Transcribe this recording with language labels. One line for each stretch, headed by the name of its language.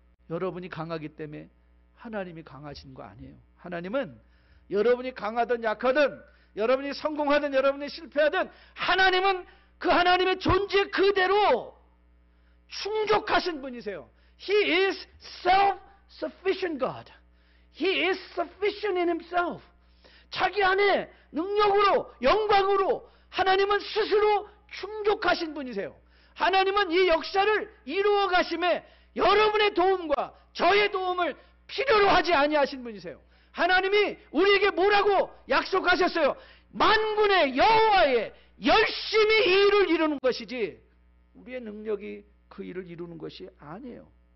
Korean: 여러분이 강하기 때문에 하나님이 강하신 거 아니에요. 하나님은 여러분이 강하든 약하든, 여러분이 성공하든 여러분이 실패하든, 하나님은 그 하나님의 존재 그대로 충족하신 분이세요.
English: He is self-sufficient God. He is sufficient in himself.
Korean: 자기 안에 능력으로, 영광으로 하나님은 스스로 충족하신 분이세요. 하나님은 이 역사를 이루어 가심에 여러분의 도움과 저의 도움을 필요로 하지 아니하신 분이세요. 하나님이 우리에게 뭐라고 약속하셨어요? 만군의 여호와의 열심히 이 일을 이루는 것이지 우리의 능력이 그 일을 이루는 것이 아니에요.